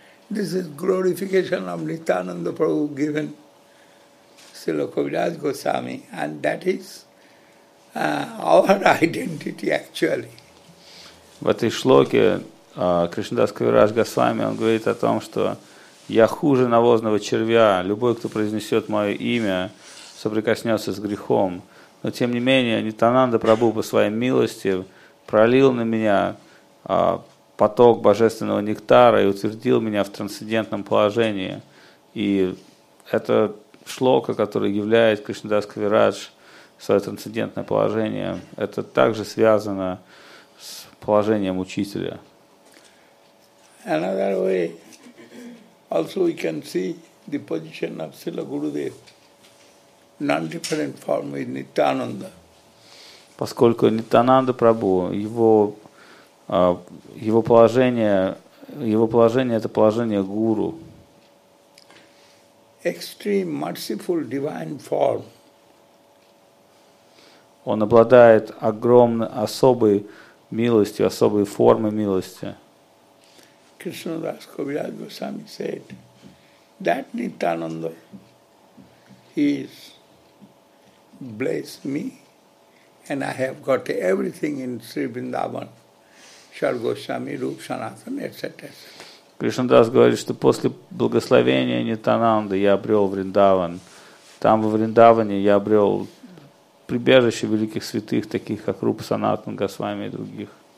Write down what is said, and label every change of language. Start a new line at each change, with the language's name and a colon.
English: This is glorification of Nityananda Prabhu given Srila Kaviraj Goswami, and that is our identity actually.
Russian: В этой шлоке Кришнадас Кавираж Госвами, он говорит о том, что я хуже навозного червя, любой, кто произнесет мое имя, соприкоснется с грехом. Но тем не менее, Нитянанда Прабху по своей милости пролил на меня поток божественного нектара и утвердил меня в трансцендентном положении. И это шлока, которую являет Кришнадас Кавираж свое трансцендентное положение, это также связано с положением учителя.
English: Another way, also we can see the position of Srila Gurudev, non-different form with Nityananda.
Russian: Поскольку Нитянанда Прабху, его положение это положение гуру.
English: Extreme merciful divine form.
Russian: Он обладает огромной, особой милостью, особой формой милости.
English: Кришна Дас Кавираж Госвами said that Nityananda is blessed me and I have got everything in Sri Vrindavan, Shar Goswami, Rup Sanatana, etc.
Russian: Кришна Дас говорит, что после благословения Нитянанды я обрел Вриндаван. Там во Вриндаване я обрел прибежище великих святых, таких как Рупа Санатана Госвами и других.